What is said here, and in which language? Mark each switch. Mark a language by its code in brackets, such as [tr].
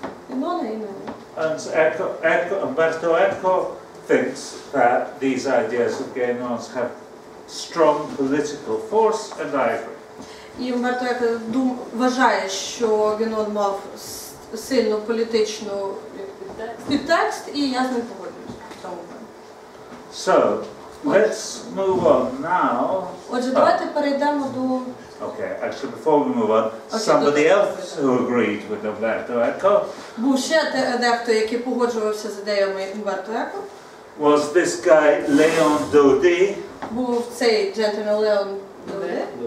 [en] And Umberto Eco thinks that these ideas of Genon have strong political force, and I agree. [uk] І Умберто Еко вважає, що Генон мав сильну політичну підтекст, і я з ним погоджуюсь. [en] So, let's move on now. [uk] Отже, давайте перейдемо до. [en] Okay, actually before we move on, somebody else who agreed with Umberto Eco. [uk] Був ще дехто, який погоджувався з ідеями Умберто Еко. [en] Was this guy Leon Dodi? [uk] Був цей джентльмен Леон Доді.